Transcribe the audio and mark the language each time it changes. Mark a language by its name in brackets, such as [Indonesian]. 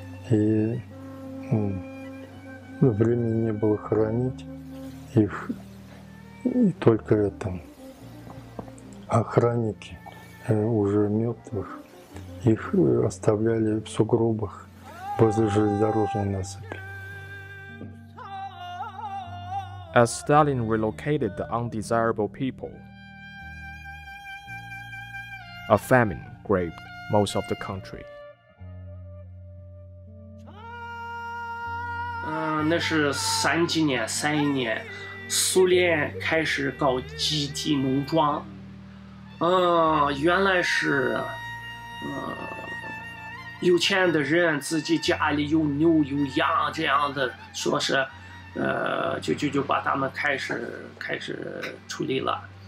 [Russian] И времени не было хоронить их, и только это охранники уже мертвых их оставляли в сугробах возле железнодорожной насыпи. [English] As Stalin relocated the undesirable people, a famine gripped most of the country. [Chinese] 那是三几年，三一年，苏联开始搞集体农庄。原来是，有钱的人自己家里有牛有羊这样的，说是，就把他们开始处理了。